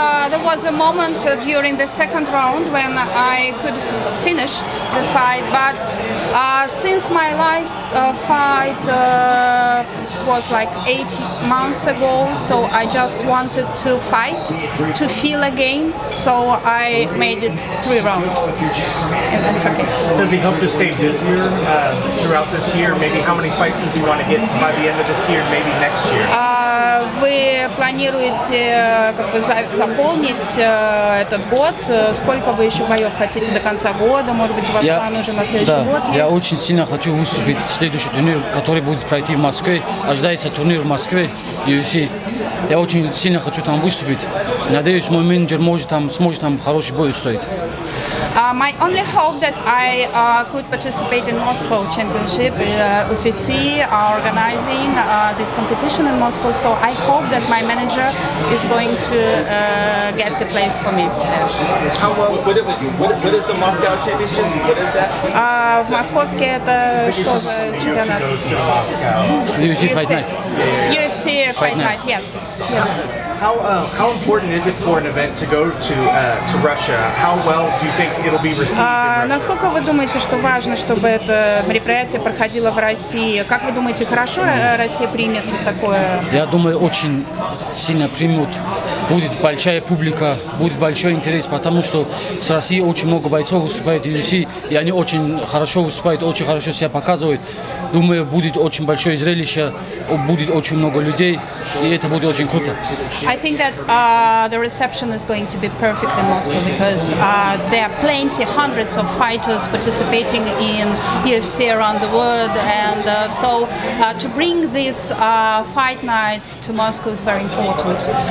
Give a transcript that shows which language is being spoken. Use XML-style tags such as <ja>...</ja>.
<en>There was a moment during the second round when I could finish the fight, but since my last fight was like 8 months ago, so I just wanted to fight, to feel again, so I made it 3 rounds, and that's okay. Does he hope to stay busier throughout this year? Maybe how many fights does he want to get by the end of this year, maybe next year?</en> <ru>Вы планируете как бы заполнить этот год? Сколько вы еще боев хотите до конца года? Может быть, у вас план уже на следующий год есть? Я очень сильно хочу выступить в следующий турнир, который будет пройти в Москве. Ожидается турнир в Москве, UFC. Я очень сильно хочу там выступить. Надеюсь, мой менеджер сможет там хороший бой устроить.</ru> <en>My only hope that I could participate in Moscow Championship, UFC are organizing this competition in Moscow, so I hope that my manager is going to get the place for me. How well, what is the Moscow Championship? What is that?</en> <ru>Московский это что за чемпионат?</ru> <en>UFC Fight Night. UFC Fight Night, yes. How important is it for an event to go to Russia? How well do you think it'll be received?</en> <ru>Насколько вы думаете, что важно, чтобы это мероприятие проходило в России? Как вы думаете, хорошо Россия примет такое? Я думаю, очень сильно примут. Будет большая публика, будет большой интерес, потому что с России очень много бойцов выступает в UFC, и они очень хорошо выступают, очень хорошо себя показывают. Думаю, будет очень большое зрелище, будет очень много людей, и это будет очень круто.</ru> <en>I think that the reception is going to be perfect in Moscow, because there are plenty, hundreds of fighters participating in UFC around the world, and so to bring these fight nights to Moscow is very important.</en>